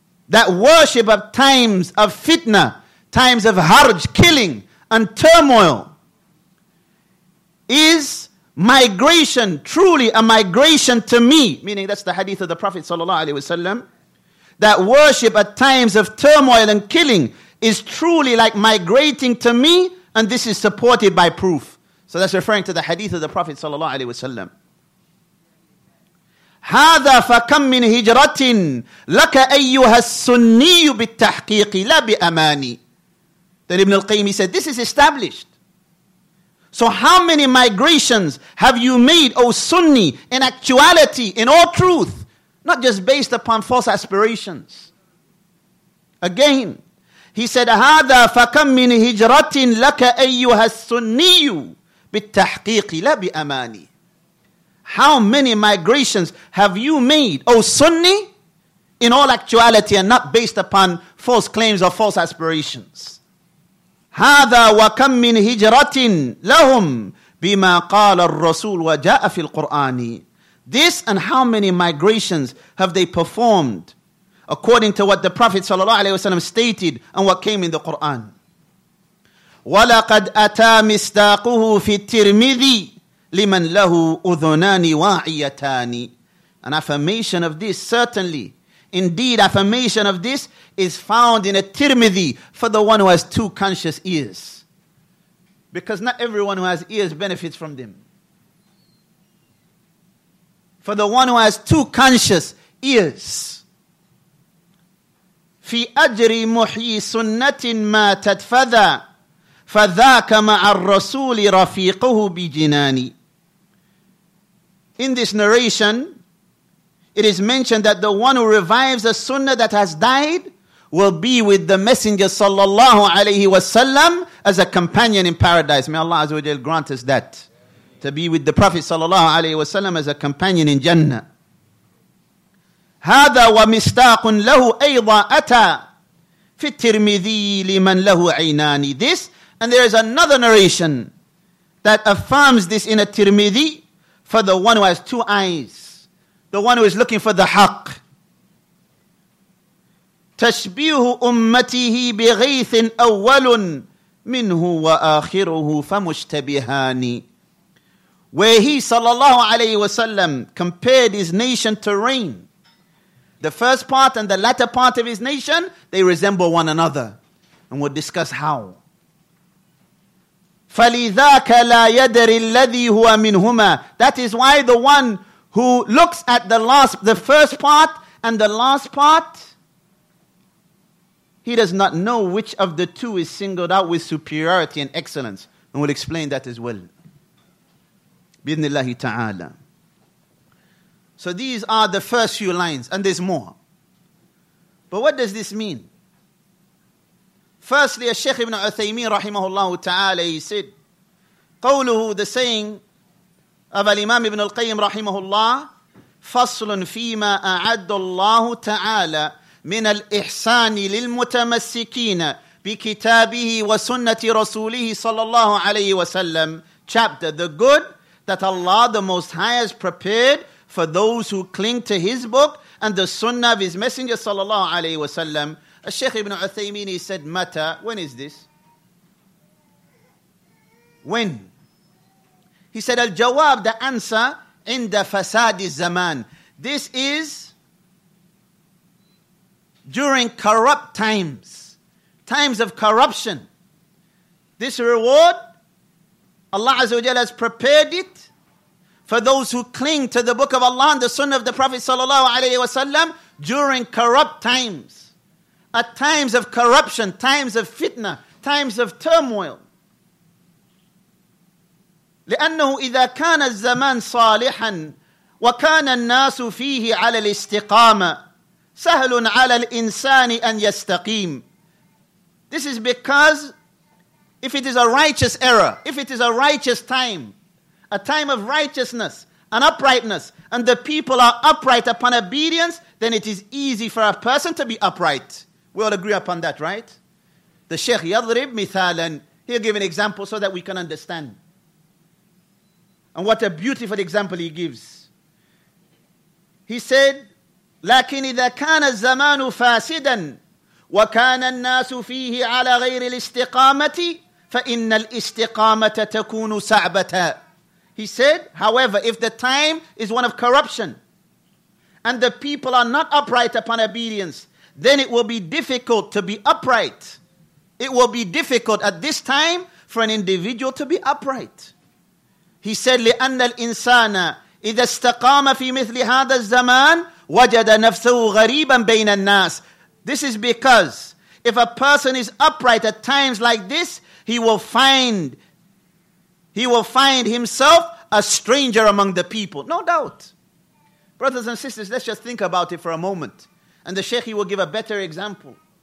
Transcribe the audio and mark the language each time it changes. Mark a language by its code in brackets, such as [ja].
[en] That worship of times of fitna, times of harj, killing and turmoil, is migration, truly a migration to me. Meaning that's the hadith of the Prophet sallallahu alaihi wasallam. That worship at times of turmoil and killing is truly like migrating to me, and this is supported by proof. So that's referring to the hadith of the Prophet sallallahu alaihi wasallam. [ar] هذا فكم من هجرة لك أيها السني بالتحقيق لا بأماني. [en] Then Ibn al-Qayyim said, this is established. So how many migrations have you made, O Sunni, in actuality, in all truth, not just based upon false aspirations? Again, he said, [ar] هَذَا فَكَمْ مِنْ هِجْرَةٍ لَكَ أَيُّهَا السُنِّيُّ بِالتَّحْقِيقِ لَا بِأَمَانِ. [en] How many migrations have you made, O Sunni, in all actuality and not based upon false claims or false aspirations? [ar] هَذَا وَكَمْ مِنْ هِجْرَةٍ لَهُمْ بِمَا قَالَ الرَّسُولُ وَجَاءَ فِي الْقُرْآنِ. [en] This and how many migrations have they performed according to what the Prophet ﷺ stated and what came in the Qur'an. [ar] وَلَقَدْ أَتَى مِصْدَاقُهُ فِي التِّرْمِذِي لِمَنْ لَهُ أُذُنَانِ وَاعِيَتَانِ. [en] An affirmation of this certainly Indeed, affirmation of this is found in a Tirmidhi for the one who has two conscious ears. Because not everyone who has ears benefits from them. For the one who has two conscious ears. [ar] في أجر محي سنة ما تتفذى فذاك مع الرسول رفيقه بجناني. [en] In this narration, it is mentioned that the one who revives a sunnah that has died will be with the Messenger sallallahu alayhi wasallam as a companion in paradise. May Allah Azza wa Jalla grant us that. To be with the Prophet sallallahu alayhi wasallam as a companion in Jannah. [ar] هذا ومستاق له أيضا أتى في الترمذي لمن له عينان. [en] This, and there is another narration that affirms this in a Tirmidhi for the one who has two eyes, the one who is looking for the haqq. [ar] تشبيه أمته بغيث أول منه وآخره فمشتبهان. [en] Where he, sallallahu alayhi wasallam, compared his nation to rain. The first part and the latter part of his nation, they resemble one another. And we'll discuss how. [ar] فَلِذَاكَ لَا يَدَرِ الَّذِي هُوَ مِنْهُمَا. [en] That is why the one who looks at the first part and the last part, he does not know which of the two is singled out with superiority and excellence. And we'll explain that as well. [ar] بِإِذْنِ اللَّهِ تَعَالَى. [en] So these are the first few lines, and there's more. But what does this mean? Firstly, Shaykh ibn Uthaymeen rahimahullah ta'ala, he said, [ar] قَوْلُهُ, [en] the saying of Al-Imam ibn al-Qayyim rahimahullah, [ar] فَصْلٌ فِيمَا أَعَدُّ اللَّهُ تَعَالَى مِنَ الْإِحْسَانِ لِلْمُتَمَسِّكِينَ بِكِتَابِهِ وَسُنَّةِ رَسُولِهِ صَلَى اللَّهُ عَلَيْهِ وَسَلَّمُ. [en] Chapter, the good that Allah the Most High has prepared for those who cling to his book and the sunnah of his messenger sallallahu alayhi wa sallam. Al-Shaykh ibn Uthaymeen, he said, Mata, when is this? When? He said, Al-Jawab, the answer, [ar] inda fasadi zaman. [en] This is during corrupt times, times of corruption. This reward, Allah Azza wa Jalla has prepared it for those who cling to the book of Allah and the sunnah of the Prophet sallallahu alayhi wa sallam during corrupt times. At times of corruption, times of fitna, times of turmoil. [ar] لأنه إذا كان الزمان صالحا وكان الناس فيه على الاستقامة سهل على الإنسان أن يستقيم. [en] This is because if it is a righteous era, if it is a righteous time, a time of righteousness and uprightness, and the people are upright upon obedience, then it is easy for a person to be upright. We all agree upon that, right? The Sheikh [ar] Yadrib Mithalan, [en] he'll give an example so that we can understand. And what a beautiful example he gives. He said, [ar] لكن إذا كان الزمان فاسدا وكان الناس فيه على غير الاستقامة فإن الاستقامة تكون صعبة. [en] He said, however, if the time is one of corruption and the people are not upright upon obedience, then it will be difficult to be upright. It will be difficult at this time for an individual to be upright. He said, [ar] لِأَنَّ الْإِنسَانَ إِذَا اسْتَقَامَ فِي مِثْلِ هَذَا الزَّمَانِ وَجَدَ نَفْسَهُ غَرِيبًا بَيْنَ النَّاسِ. [en] This is because if a person is upright at times like this, he will find himself a stranger among the people. No doubt. Brothers and sisters, let's just think about it for a moment. And the Sheikh, he will give a better example.